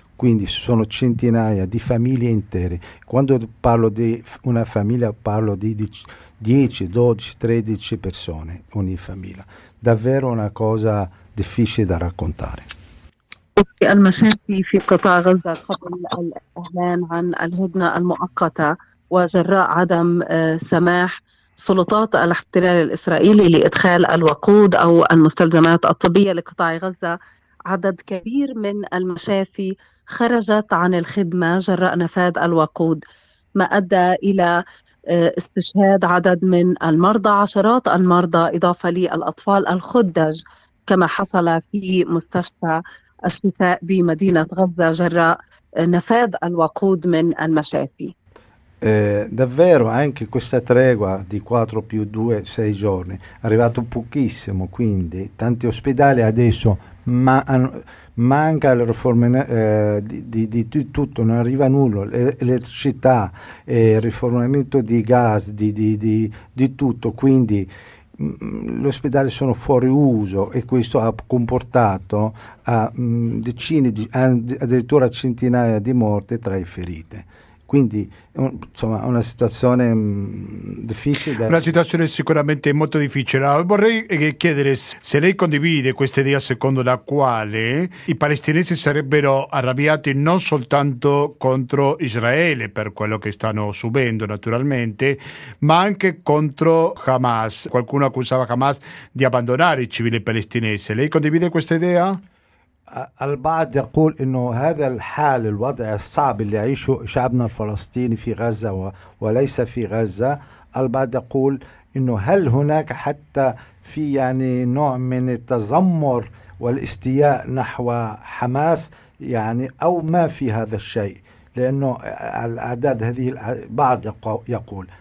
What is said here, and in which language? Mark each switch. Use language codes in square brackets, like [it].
[it] Quindi sono centinaia di famiglie intere. Quando parlo di una famiglia parlo di 10, 12, 13 persone, ogni famiglia. Davvero una cosa difficile da raccontare. [ar] المشاكل في قطاع غزة قبل الإعلان عن الهدنة المؤقتة وجراء عدم سماح سلطات الاحتلال الإسرائيلي لإدخال الوقود أو المستلزمات الطبية لقطاع غزة، عدد كبير من المشافي خرجت عن الخدمة جراء نفاد الوقود، ما أدى إلى استشهاد عدد من المرضى، عشرات المرضى، إضافة للأطفال الخدج، كما حصل في مستشفى الشفاء بمدينة غزة جراء نفاد الوقود من المشافي. [it] Davvero anche questa tregua di 4 più 2, 6 giorni è arrivato pochissimo, quindi tanti ospedali adesso manca la riforma di tutto, non arriva nulla, l'elettricità, il rifornimento di gas, di tutto, quindi gli ospedali sono fuori uso e questo ha comportato a decine, addirittura centinaia di morti tra i feriti. Quindi insomma una situazione difficile. Una situazione sicuramente molto difficile. Vorrei chiedere se lei condivide questa idea secondo la quale i palestinesi sarebbero arrabbiati non soltanto contro Israele per quello che stanno subendo naturalmente, ma anche contro Hamas. Qualcuno accusava Hamas di abbandonare i civili palestinesi. Lei condivide questa idea? [ar] البعض يقول إنه هذا الحال الوضع الصعب اللي يعيشه شعبنا الفلسطيني في غزة وليس في غزة. البعض يقول إنه هل هناك حتى في يعني نوع من التذمر والاستياء نحو حماس يعني أو ما في هذا الشيء، لأنه الأعداد هذه البعض يقول.